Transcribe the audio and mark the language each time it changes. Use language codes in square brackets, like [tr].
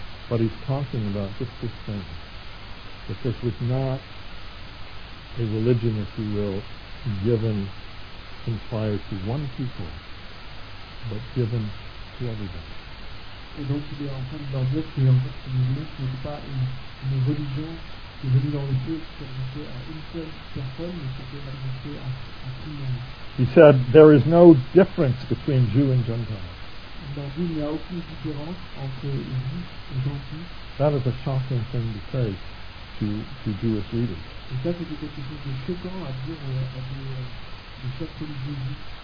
[en] But he's talking about just this thing. That this was not a religion, if you will, given in fire to one people, but given to everybody. [fr] Et donc il est en train de dire que en fait ce mouvement n'est pas une religion qui est venue dans le feu qui est adressée à une seule personne, mais qui est adressée à tout le monde. [en] He said there is no difference between Jew and Gentile. [fr] Dans lui, il n'y a aucune différence entre juif et gentil. [en] That is a shocking thing to say to Jewish leaders. [fr] Et ça, c'était quelque chose de choquant à dire à des chefs religieux.